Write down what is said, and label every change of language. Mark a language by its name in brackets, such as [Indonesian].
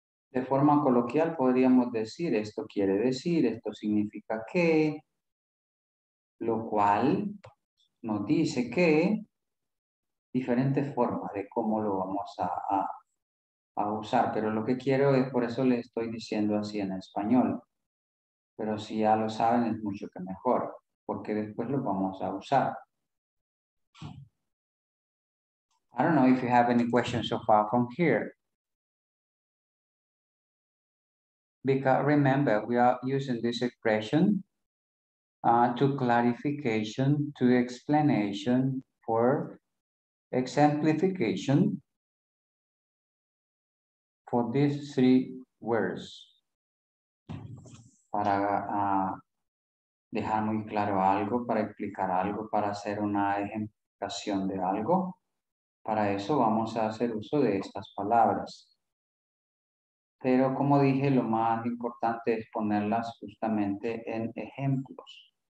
[Spanish] De forma coloquial podríamos decir esto quiere decir, esto significa que, lo cual nos dice que diferentes formas de cómo lo vamos a usar, pero lo que quiero es, por eso le estoy diciendo así en español, pero si ya lo saben es mucho que mejor, porque después lo vamos a usar. [English] I don't know if you have any questions so far from here. Because remember, we are using this expression to clarification, to explanation, for exemplification for these three words. [Spanish] Para dejar muy claro algo, para explicar algo, para hacer una ejemplificación de algo. Para eso vamos a hacer uso de estas palabras. Pero como dije, lo más importante es ponerlas justamente en ejemplos.